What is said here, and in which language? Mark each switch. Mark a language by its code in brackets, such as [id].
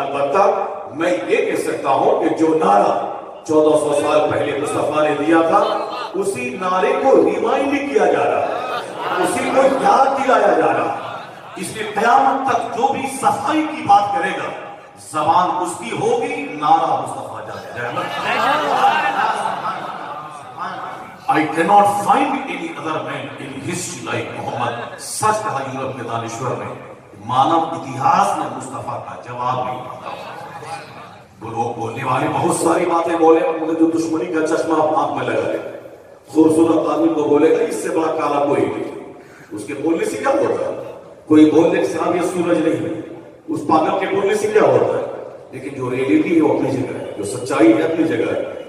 [ur] البتہ میں یہ کہہ سکتا ہوں کہ جو نعرہ 1400 سال پہلے مصطفیٰ نے دیا تھا، اسی نعرے کو ریمائنڈ کیا جا رہا ہے، اسی کو یاد دلایا جا رہا ہے. اس لیے قیامت تک جو بھی صفائی کی بات کرے گا، زبان اس کی ہوگی نعرہ مصطفیٰ جا رہا ہے. [en] I cannot find any other man in history like Muhammad. [ur] سچ کہا یورپ کے دانشور نے، مانو اتہاس نے مصطفیٰ کا جواب نہیں پایا. وہ لوگ بولنے والے بہت ساری باتیں بولے، اور مجھے جو دشمنی کا چشمہ آنکھ میں لگا لے، خوبصورت آدمی کو بولے گا اس سے بڑا کالا کوئی نہیں. اس کے بولنے سے کیا ہوتا ہے؟ کوئی بولنے کے سامنے سورج نہیں ہے، اس پاگل کے بولنے سے کیا ہوتا ہے؟ لیکن جو ریئلٹی ہے وہ اپنی جگہ ہے، جو سچائی ہے اپنی جگہ ہے.